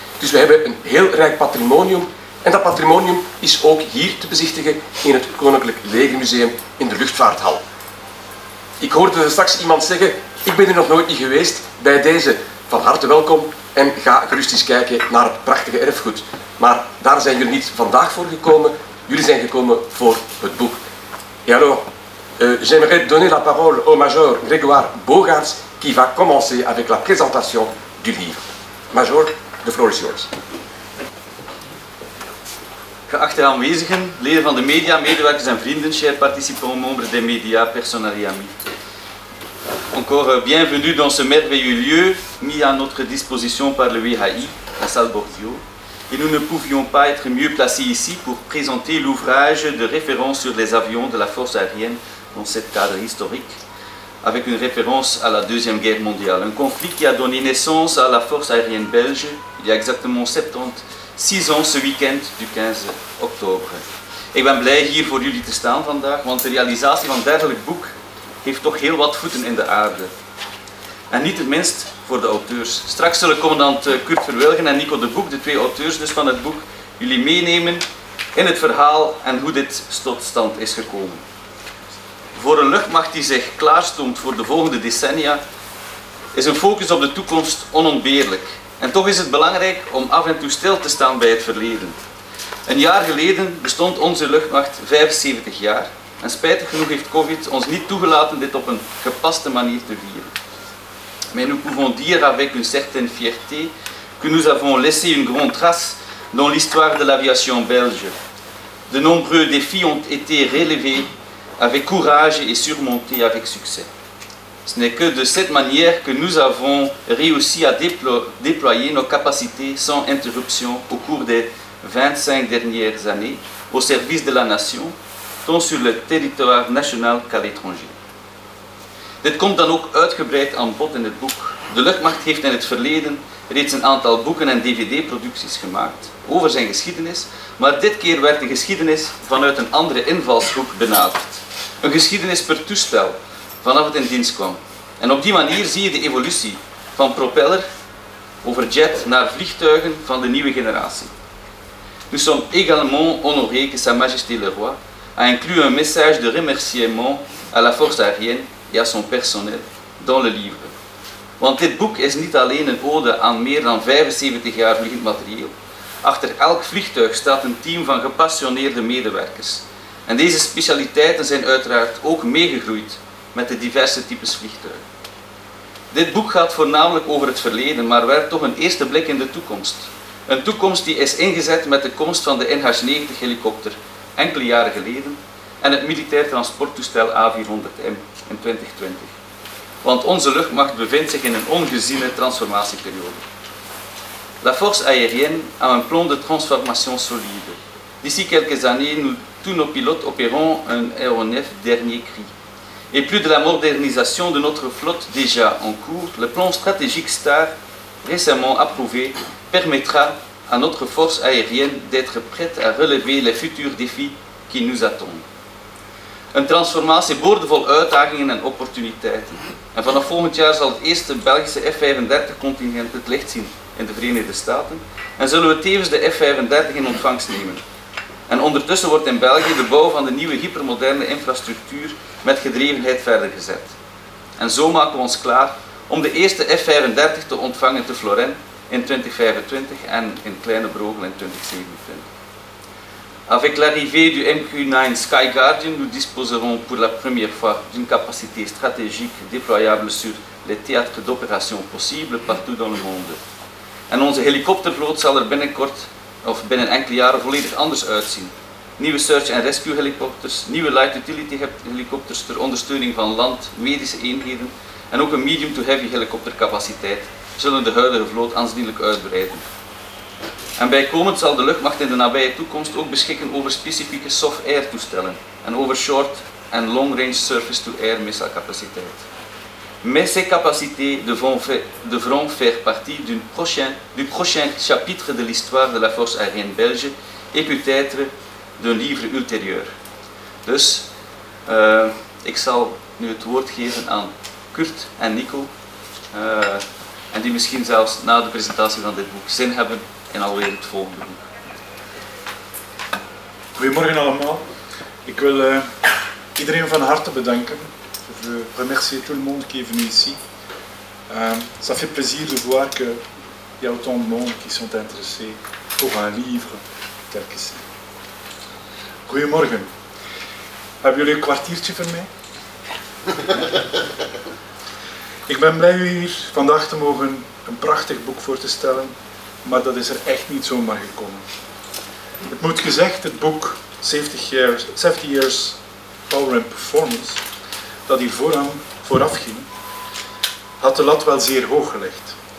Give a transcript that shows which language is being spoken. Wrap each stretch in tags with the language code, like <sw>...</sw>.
<nl>Dus we hebben een heel rijk patrimonium en dat patrimonium is ook hier te bezichtigen in het Koninklijk Legermuseum in de Luchtvaarthal. Ik hoorde er straks iemand zeggen, ik ben er nog nooit niet geweest, bij deze van harte welkom en ga gerust eens kijken naar het prachtige erfgoed. Maar daar zijn jullie niet vandaag voor gekomen, jullie zijn gekomen voor het boek.</nl> <fr>Et alors, j'aimerais donner la parole au major Grégoire Bogaerts qui va commencer avec la présentation du livre.</fr> <en>Major, the floor is yours.</en> <nl>Geachte aanwezigen, leden van de media, medewerkers en vrienden,</nl> <fr>chers participants, membres des médias, personnels et amis. Encore bienvenue dans ce merveilleux lieu mis à notre disposition par le WHI, la salle Bordio. Et nous ne pouvions pas être mieux placés ici pour présenter l'ouvrage de référence sur les avions de la force aérienne dans ce cadre historique, avec une référence à la Deuxième Guerre mondiale, un conflit qui a donné naissance à la force aérienne belge il y a exactement 76 ans, ce week-end du 15 octobre.</fr> <nl>Ik ben blij hier voor jullie te staan vandaag, want de realisatie van dergelijk boek heeft toch heel wat voeten in de aarde. En niet het minst voor de auteurs. Straks zullen commandant Kurt Verwelgen en Nico de Boek, de twee auteurs dus van het boek, jullie meenemen in het verhaal en hoe dit tot stand is gekomen. Voor een luchtmacht die zich klaarstoomt voor de volgende decennia, is een focus op de toekomst onontbeerlijk. En toch is het belangrijk om af en toe stil te staan bij het verleden. Een jaar geleden bestond onze luchtmacht 75 jaar. En spijtig genoeg heeft COVID ons niet toegelaten dit op een gepaste manier te vieren.</nl> <fr>Mais nous pouvons dire avec une certaine fierté que nous avons laissé une grande trace dans l'histoire de l'aviation belge. De nombreux défis ont été relevés avec courage et surmontés avec succès. Ce n'est que de cette manière que nous avons réussi à déployer nos capacités sans interruption au cours des 25 dernières années au service de la nation, tant sur le territoire national qu'à l'étranger.</fr> <nl>Dit komt dan ook uitgebreid aan bod in het boek. De luchtmacht heeft in het verleden reeds een aantal boeken en dvd-producties gemaakt over zijn geschiedenis, maar dit keer werd de geschiedenis vanuit een andere invalshoek benaderd. Een geschiedenis per toestel, vanaf het in dienst kwam. En op die manier zie je de evolutie van propeller over jet naar vliegtuigen van de nieuwe generatie.</nl> <fr>Nous sommes également honorés que Sa Majesté le Roi a inclus un message de remerciement à la force aérienne et à son personnel dans le livre.</fr> <nl>Want dit boek is niet alleen een ode aan meer dan 75 jaar vliegend materieel. Achter elk vliegtuig staat een team van gepassioneerde medewerkers. En deze specialiteiten zijn uiteraard ook meegegroeid met de diverse types vliegtuigen. Dit boek gaat voornamelijk over het verleden, maar werpt toch een eerste blik in de toekomst. Een toekomst die is ingezet met de komst van de NH90 helikopter enkele jaren geleden en het militair transporttoestel A400M in 2020. Want onze luchtmacht bevindt zich in een ongeziene transformatieperiode.</nl> <fr>La force aérienne a un plan de transformation solide. D'ici quelques années, tous nos pilotes opéreront un aéronef dernier cri. Et plus de la modernisation de notre flotte déjà en cours, le plan stratégique STAR, récemment approuvé, permettra à notre force aérienne d'être prête à relever les futurs défis qui nous attendent. Une transformation</fr> <nl>boordevol uitdagingen en opportuniteiten. En vanaf volgend jaar zal het eerste Belgische F-35 contingent het licht zien in de Verenigde Staten en zullen we tevens de F-35 in ontvangst nemen. En ondertussen wordt in België de bouw van de nieuwe hypermoderne infrastructuur met gedrevenheid verder gezet. En zo maken we ons klaar om de eerste F-35 te ontvangen te Florennes in 2025 en in Kleine Brogel in 2027.</nl> <fr>Avec l'arrivée du MQ-9 Sky Guardian, nous disposerons pour la première fois d'une capacité stratégique déployable sur les théâtres d'opérations possibles partout dans le monde.</fr> <nl>En onze helikoptervloot zal er binnenkort, of binnen enkele jaren, volledig anders uitzien. nieuwe search and rescue helikopters, nieuwe light utility helikopters ter ondersteuning van land, medische eenheden en ook een medium to heavy helikoptercapaciteit zullen de huidige vloot aanzienlijk uitbreiden. En bijkomend zal de luchtmacht in de nabije toekomst ook beschikken over specifieke soft-air toestellen en over short- en long-range surface-to-air missielcapaciteit.</nl> <fr>Met ces capacités devront faire partie du prochain chapitre de l'histoire de la force aérienne belge et peut-être d'un livre ultérieur.</fr> <nl>Dus, ik zal nu het woord geven aan Kurt en Nico, en die misschien zelfs na de presentatie van dit boek zin hebben in alweer het volgende boek. Goedemorgen allemaal. Ik wil iedereen van harte bedanken.</nl> <fr>Je remercie tout le monde qui est venu ici. Ça fait plaisir de voir qu'il y a autant de monde qui sont intéressés pour un livre tel que c'est.</fr> <nl>Goedemorgen. Hebben jullie een kwartiertje voor mij? Ik ben blij u hier vandaag te mogen een prachtig boek voor te stellen, maar dat is er echt niet zomaar gekomen. Het moet gezegd, het boek 70 Years Power and Performance, dat hier vooraf ging, had de lat wel zeer hoog gelegd.</nl>